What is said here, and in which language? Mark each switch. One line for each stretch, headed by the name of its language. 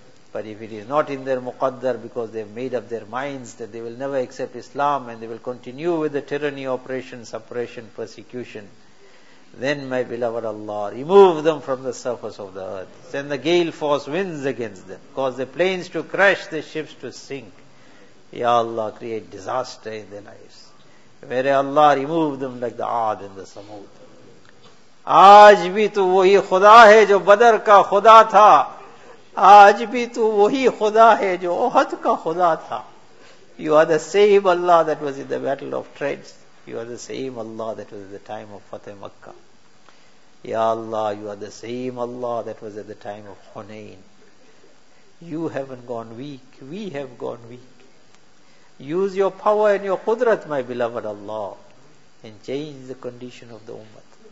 English: But if it is not in their muqaddar because they have made up their minds that they will never accept Islam and they will continue with the tyranny, oppression, suppression, persecution, then, my beloved Allah, remove them from the surface of the earth. Send the gale force winds against them. Cause the planes to crash, the ships to sink. Ya Allah, create disaster in their lives.
Urdu: Mere Allah,
English: remove them like the Aad and the Samud.
Urdu: آج بھی تو وہی خدا ہے جو بدر کا خدا تھا، آج بھی تو وہی خدا ہے جو احد کا خدا تھا.
English: You are the same Allah that was in the battle of Trench. You are the same Allah that was at the time of Fateh Makkah. Ya Allah, you are the same Allah that was at the time of Hunain. You haven't gone weak. We have gone weak. Use your power and your qudrat, my beloved Allah, and change the condition of the ummah.